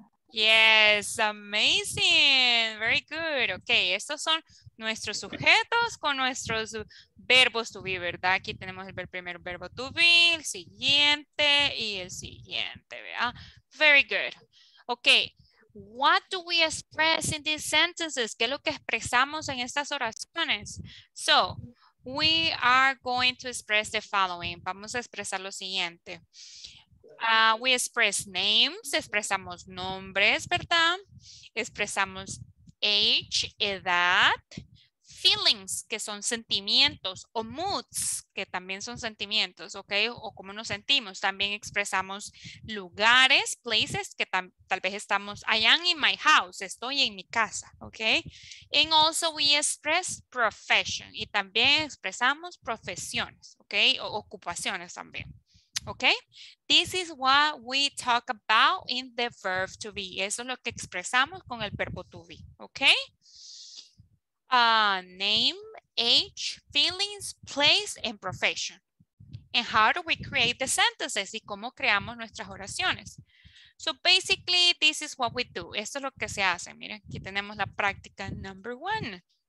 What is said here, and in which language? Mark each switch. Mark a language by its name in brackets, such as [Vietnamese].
[English] Yes, amazing, very good. [Spanish] Okay, estos son nuestros sujetos con nuestros verbos to be, ¿verdad? Aquí tenemos el primer verbo to be, el siguiente y el siguiente, ¿verdad? [English] Very good. Okay, what do we express in these sentences? [Spanish] ¿Qué es lo que expresamos en estas oraciones? [English] So, we are going to express the following. [Spanish] Vamos a expresar lo siguiente. [English] We express names, [Spanish] expresamos nombres, ¿verdad? Expresamos age, edad, feelings, que son sentimientos, o moods, que también son sentimientos, ¿ok? O cómo nos sentimos. También expresamos lugares, places, que tal vez estamos, [English] I am in my house, [Spanish] estoy en mi casa, ¿ok? [English] And also we express profession, [Spanish] y también expresamos profesiones, [English] ¿ok? [Spanish] O ocupaciones también. [English] Okay, this is what we talk about in the verb to be. [Spanish] Eso es lo que expresamos con el verbo to be. [English] Okay, name, age, feelings, place, and profession. And how do we create the sentences? [Spanish] ¿Y cómo creamos nuestras oraciones? [English] So basically, this is what we do. [Spanish] Esto es lo que se hace. Miren, aquí tenemos la práctica [English] number one.